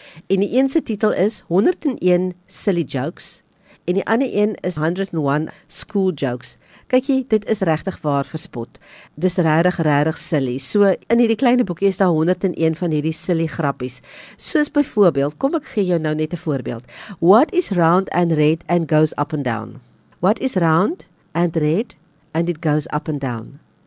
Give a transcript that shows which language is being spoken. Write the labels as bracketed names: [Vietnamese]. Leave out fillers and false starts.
[Afrikaans] En die een se titel is 101 Silly Jokes. En die ander een is 101 School Jokes. Kyk jy, dit is regtig waar vir spot. Dis regtig, regtig silly. So in hierdie kleine boekie is daar 101 van hierdie silly grappies. Soos byvoorbeeld, kom ek gee jou nou net 'n voorbeeld. [English] What is round and red and goes up and down? What is round and red, and it goes up and down.